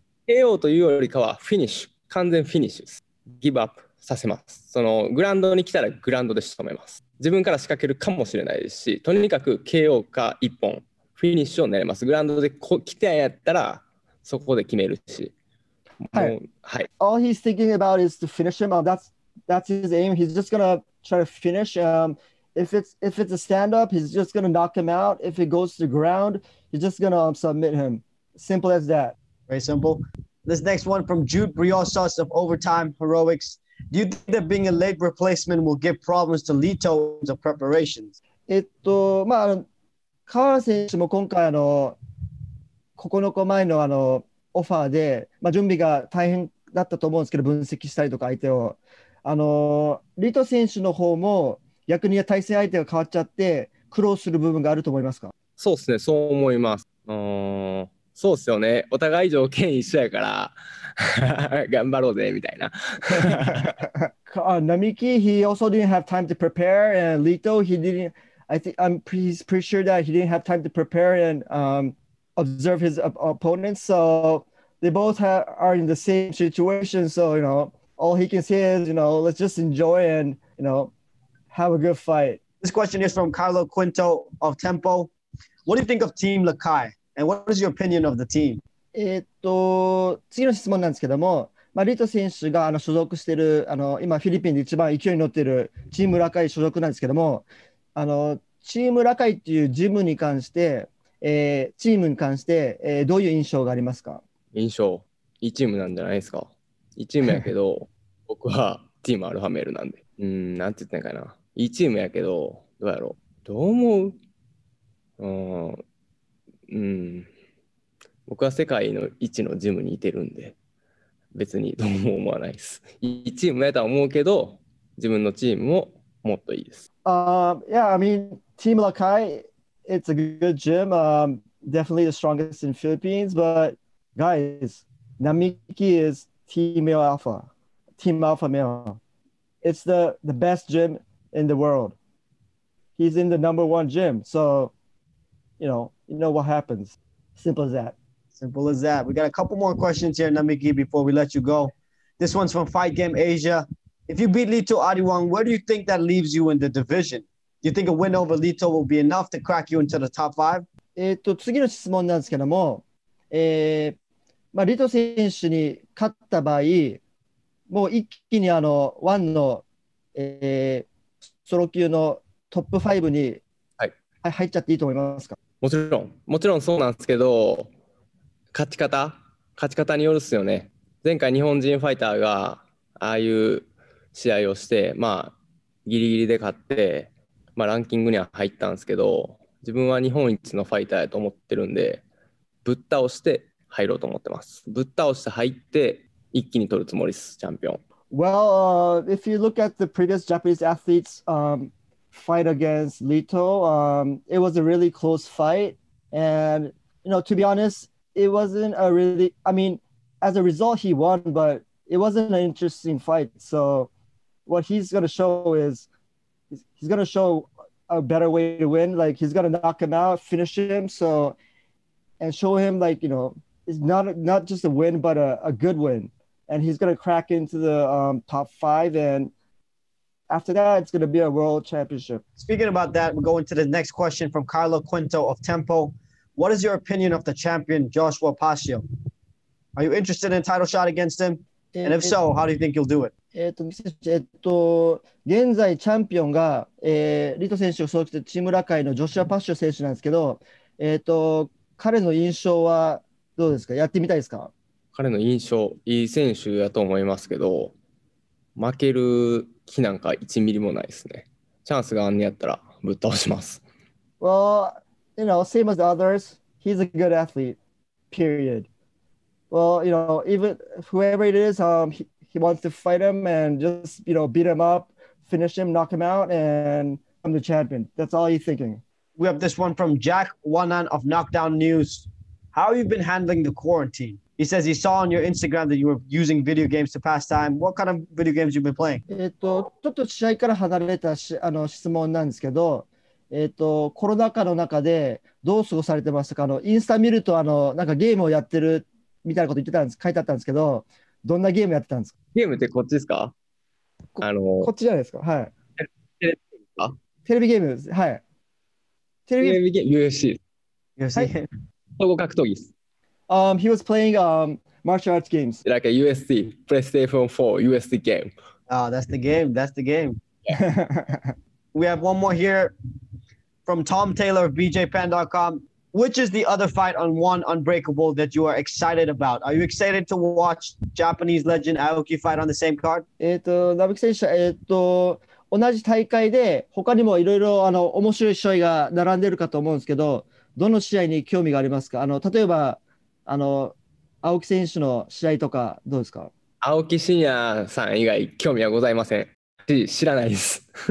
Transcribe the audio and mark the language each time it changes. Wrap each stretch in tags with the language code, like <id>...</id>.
<ja>KO というよりかはフィニッシュ、完全フィニッシュです。ギブアップさせます。そのグラウンドに来たらグラウンドで仕留めます。自分から仕掛けるかもしれないですし、とにかく KO か一本フィニッシュを狙います。グラウンドで来てやったらそこで決めるし、はい、はい、</ja> <en>All he's thinking about is to finish him. That's his aim. He's just gonna try to finish him. If it's a stand-up, he's just going to knock him out. If it goes to the ground, he's just going to submit him. Simple as that. Very simple. This next one from Jude Briosas of Overtime Heroics. Do you think that being a late replacement will give problems to Lito in terms of preparations?</en> <ja>まあ、川選手も今回9日前のオファーで、まあ、準備が大変だったと思うんですけど、分析したりとか相手を。 Lito選手の方も、逆に対戦相手が変わっちゃって苦労する部分があると思いますか？そうですね、そう思います。そうですよね、お互い条件一緒やから頑張ろうぜみたいな。</ja> <en>Namiki, he also didn't have time to prepare, and Lito, he didn't, I think, I'm pretty sure that he didn't have time to prepare and observe his opponents, so they both are in the same situation, so you know, all he can say is, you know, let's just enjoy and, you knowHave a good fight. This question is from Carlo Quinto of Tempo. What do you think of Team Lakai? And what is your opinion of the team?</en> <ja>次の質問なんですけども、まあ、リト選手が所属している今フィリピンで一番勢いに乗っているチームラカイ所属なんですけども、チームラカイっていうジムに関して、チームに関して、どういう印象がありますか？印象、いいチームなんじゃないですか。いいチームやけど僕はチームアルファメールなんで、なんて言ってんかな、いいチームやけど、どうやろう、どう思う、僕は世界の一のジムにいてるんで、別にどうも思わないです。いいチームやとは思うけど、自分のチームももっといいです。</ja> <en>Yeah, I mean, Team Lakai, it's a good gym, definitely the strongest in Philippines, but guys, Namiki is Team Alpha Male. It's the best gym in the world. He's in the number one gym. So, you know what happens. Simple as that. Simple as that. We got a couple more questions here, Namiki, before we let you go. This one's from Fight Game Asia. If you beat Lito Adi Wong, where do you think that leaves you in the division? Do you think a win over Lito will be enough to crack you into the top five?</en> <ja>次の質問なんですけども、まあ、リト選手に勝った場合、もう一気にあのワンの、ソロ級のトップ5に、はい、入っちゃっていいと思いますか？もちろん、もちろんそうなんですけど、勝ち方によるっすよね。前回日本人ファイターがああいう試合をして、まあ、ギリギリで勝って、まあ、ランキングには入ったんですけど、自分は日本一のファイターやと思ってるんで、ぶっ倒して入ろうと思ってます。ぶっ倒して入って一気に取るつもりです、チャンピオン。</ja> <en>Well, if you look at the previous Japanese athletes、fight against Lito、it was a really close fight, and you know, to be honest, it wasn't a really, I mean, as a result he won, but it wasn't an interesting fight. So what he's going to show is he's going to show a better way to win. Like, he's going to knock him out, finish him, so, and show him, like, you know, it's not just a win, but a good win. And he's going to crack into the top five, and after that, it's going to be a world championship. Speaking about that, we're going to the next question from Carlo Quinto of Tempo. What is your opinion of the champion, Joshua Pasio? Are you interested in a title shot against him? And if so, how do you think you'll do it?</en> <ja>現在チャンピオンが、リト選手を所属しているチームラカイのジョシュア・パッシオ選手なんですけど、彼の印象はどうですか？やってみたいですか？彼の印象、いい選手やと思いますけど、負ける気なんか1ミリもないですね。チャンスがあんねやったらぶっ倒します。</ja> <en>Well, you know, same as the others, he's a good athlete, period. Well, you know, even whoever it is, he wants to fight him and just, you know, beat him up, finish him, knock him out, and I'm the champion. That's all he's thinking. We have this one from Jack Wanan of Knockdown News. How have you been handling the quarantine? He says he saw on your Instagram that you were using video games to pass time. What kind of video games you've been playing?</en> <ja>ちょっと試合から離れたあの質問なんですけど、コロナ禍の中でどう過ごされてましたか？あのインスタ見るとあのなんかゲームをやってるみたいなこと言ってたんです、書いてあったんですけど、どんなゲームやってたんですか？ゲームってこっちですか？こっちじゃないですか？はい。テレビゲームですか？テレビゲームです。はい。テレビゲーム、UFC。 UFC。総合格闘技です。</ja> <en>He was playing martial arts games. Like a USC, PlayStation 4, USC game. Ah,、oh, that's the game. We have one more here from Tom Taylor of BJPen.com. Which is the other fight on One Unbreakable that you are excited about? Are you excited to watch Japanese legend Aoki fight on the same card?</en> <ja>ナブキ選手、同じ大会で他にもいろいろ面白い試合が並んでるかと思うんですけど、どの試合に興味がありますか？例えば、Aoki選手の試合とかどうですか？ Aoki慎也さん以外興味はございません。知らないです。</ja>